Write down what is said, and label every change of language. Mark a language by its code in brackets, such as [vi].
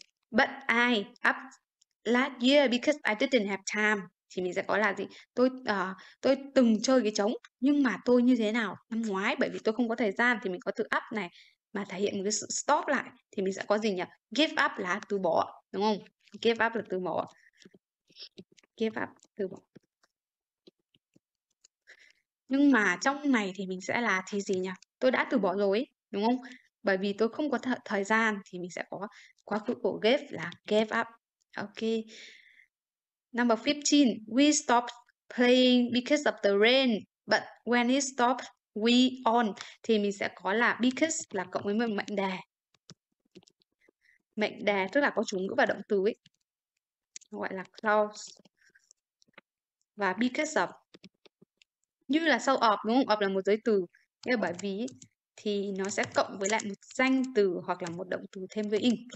[en] But I up last year because I didn't have time. [vi] Thì mình sẽ có là gì? Tôi từng chơi cái trống nhưng mà tôi như thế nào năm ngoái bởi vì tôi không có thời gian, thì mình có từ up này mà thể hiện một cái sự stop lại, thì mình sẽ có gì nhỉ? Give up là từ bỏ đúng không? Give up là từ bỏ. Give up, từ bỏ. Nhưng mà trong này thì mình sẽ là thì gì nhỉ? Tôi đã từ bỏ rồi đúng không? Bởi vì tôi không có thời gian, thì mình sẽ có quá khứ của give là gave up. [en] Ok. Number 15, we stopped playing because of the rain, but when it stopped, we on. [vi] Thì mình sẽ có là because là cộng với mệnh đề. Mệnh đề tức là có chủ ngữ và động từ ấy. Gọi là clause. Và because of. Như là sau of đúng không? Of là một giới từ. Nghĩa bởi vì ấy, thì nó sẽ cộng với lại một danh từ hoặc là một động từ thêm với in.